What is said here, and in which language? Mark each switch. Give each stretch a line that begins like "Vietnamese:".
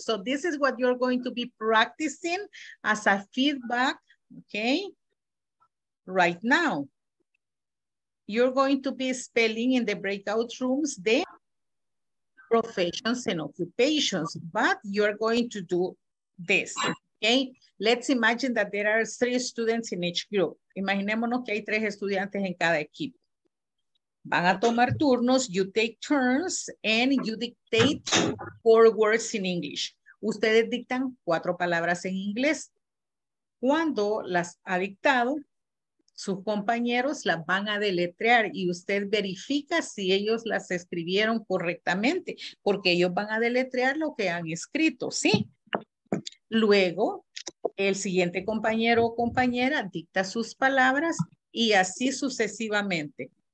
English: So, this is what you're going to be practicing as a feedback, ok, right now. You're going to be spelling in the breakout rooms the professions and occupations, but you're going to do this, okay? Let's imagine that there are three students in each group.
Spanish: Imaginémonos que hay tres estudiantes en cada equipo. Van a tomar turnos,
English: you take turns, and you dictate four words in English.
Spanish: Ustedes dictan cuatro palabras en inglés. Cuando las ha dictado, sus compañeros las van a deletrear y usted verifica si ellos las escribieron correctamente, porque ellos van a deletrear lo que han escrito, ¿sí? Luego, el siguiente compañero o compañera dicta sus palabras y así sucesivamente.